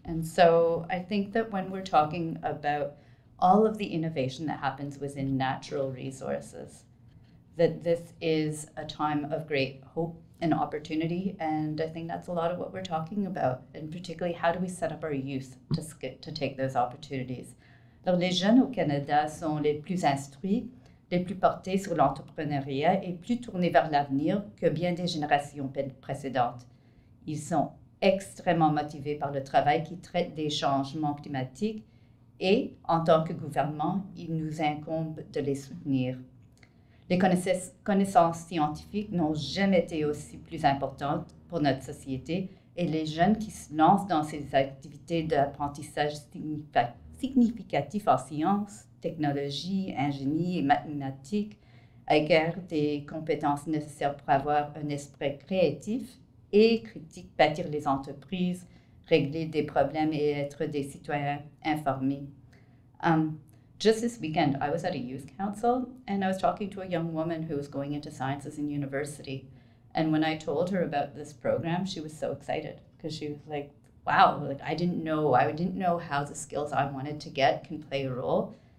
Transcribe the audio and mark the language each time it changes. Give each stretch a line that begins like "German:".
English: And so I think that when we're talking about all of the innovation that happens within natural resources, that this is a time of great hope and opportunity. And I think that's a lot of what we're talking about, and particularly how do we set up our youth to take those opportunities.
French: Alors, les jeunes au Canada sont les plus instruits, les plus portés sur l'entrepreneuriat et plus tournés vers l'avenir que bien des générations précédentes. Ils sont extrêmement motivés par le travail qui traite des changements climatiques et, en tant que gouvernement, il nous incombe de les soutenir. Les connaissances scientifiques n'ont jamais été aussi plus importantes pour notre société et les jeunes qui se lancent dans ces activités d'apprentissage significatifs en sciences, technologie, ingénie et mathématiques acquièrent des compétences nécessaires pour avoir un esprit créatif et critique, bâtir les entreprises, régler des problèmes et être des citoyens informés.
English: Just this weekend, I was at a youth council and I was talking to a young woman who was going into sciences in university. And when I told her about this program, she was so excited because she was like, wow, like I didn't know how the skills I wanted to get can play a role.